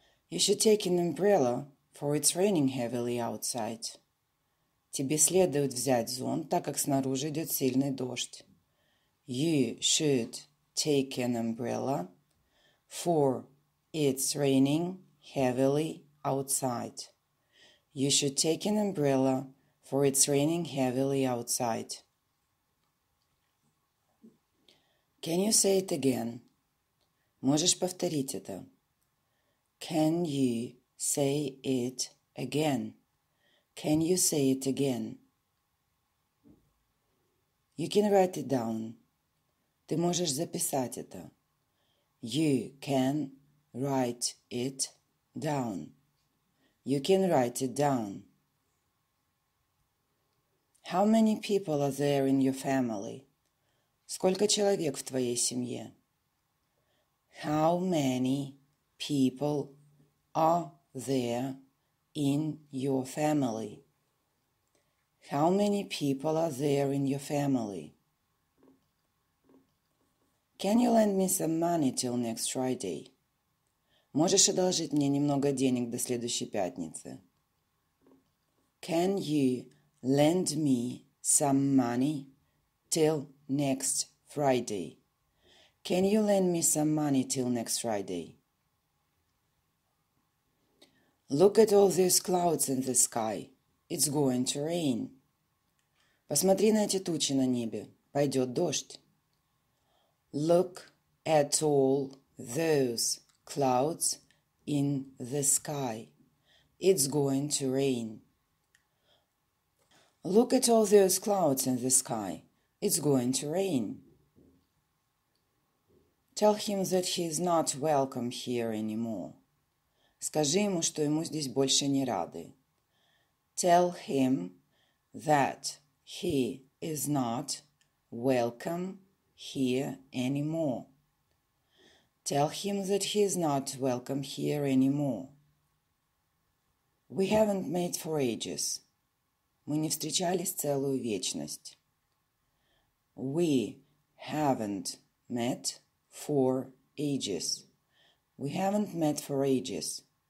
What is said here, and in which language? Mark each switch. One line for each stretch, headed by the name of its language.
English: You should take an umbrella, for it's raining heavily outside.
Russian: Тебе следует взять зонт, так как снаружи идет сильный дождь.
English: You should take an umbrella, for it's raining heavily outside. You should take an umbrella, for it's raining heavily outside. Can you say it again?
Russian: Можешь повторить это?
English: Can you say it again? Can you say it again? You can write it down.
Russian: Ты можешь записать это.
English: You can write it down. You can write it down. How many people are there in your family?
Russian: Сколько человек в твоей семье?
English: How many people are there in your family? How many people are there in your family? Can you lend me some money till next Friday?
Russian: Можешь одолжить мне немного денег до следующей пятницы?
English: Can you lend me some money till next Friday? Can you lend me some money till next Friday? Look at all these clouds in the sky. It's going to rain.
Russian: Посмотри на эти тучи на небе. Пойдет дождь.
English: Look at all those clouds in the sky. It's going to rain. Look at all those clouds in the sky. It's going to rain. Tell him that he is not welcome here anymore.
Russian: Скажи ему, что ему здесь больше не рады.
English: Tell him that he is not welcome here anymore. Tell him that he is not welcome here anymore. We haven't met for ages.
Russian: Мы не встречались целую вечность.
English: We haven't met for ages. We haven't met for ages.